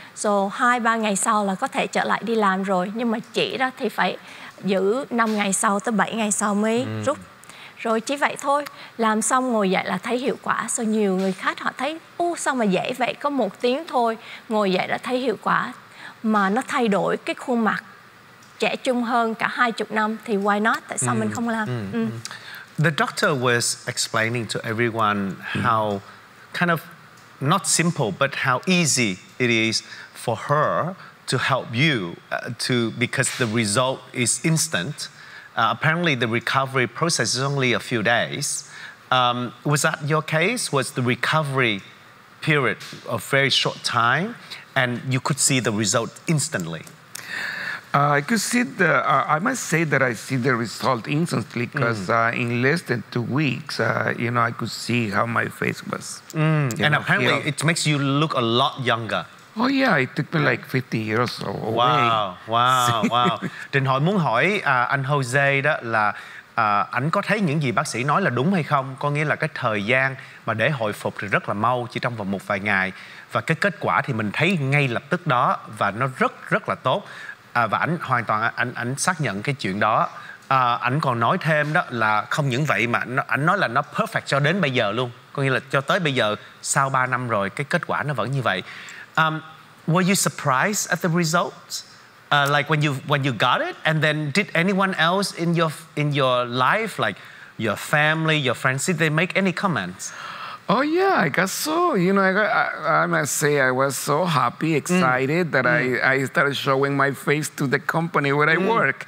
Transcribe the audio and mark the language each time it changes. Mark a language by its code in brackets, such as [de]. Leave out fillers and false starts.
[vi] Rồi 2-3 ngày sau là có thể trở lại đi làm rồi, nhưng mà chỉ đó thì phải giữ 5 ngày sau tới 7 ngày sau mới rút. Rồi chỉ vậy thôi, làm xong ngồi dậy là thấy hiệu quả. Rồi nhiều người khách họ thấy, ô sao mà dễ vậy, có một tiếng thôi, ngồi dậy đã thấy hiệu quả, mà nó thay đổi cái khuôn mặt trẻ trung hơn cả 20 năm, thì [en] why not, [vi] tại sao mình không làm? [en] The doctor was explaining to everyone how kind of not simple, but how easy it is for her to help you to, because the result is instant. Apparently, the recovery process is only a few days. Was that your case? Was the recovery period a very short time and you could see the result instantly? I could see the, I must say that I see the result instantly because in less than 2 weeks, you know, I could see how my face was. And know, apparently healed. It makes you look a lot younger. Oh yeah, it took me like 50 years or so. Wow. [vi] Trình Hội muốn hỏi anh Jose đó là anh có thấy những gì bác sĩ nói là đúng hay không? Có nghĩa là cái thời gian mà để hồi phục thì rất là mau, chỉ trong vòng một vài ngày. Và cái kết quả thì mình thấy ngay lập tức đó và nó rất rất là tốt. Và anh hoàn toàn anh xác nhận cái chuyện đó. Anh còn nói thêm đó là không những vậy mà anh nói là nó perfect cho đến bây giờ luôn. Có nghĩa là cho tới bây giờ, sau 3 năm rồi, cái kết quả nó vẫn như vậy. [en] Were you surprised at the results? Like when you got it, and then did anyone else in your life, like your family, your friends, did they make any comments? Oh yeah, I guess so. You know, I must say I was so happy, excited that I started showing my face to the company where I work.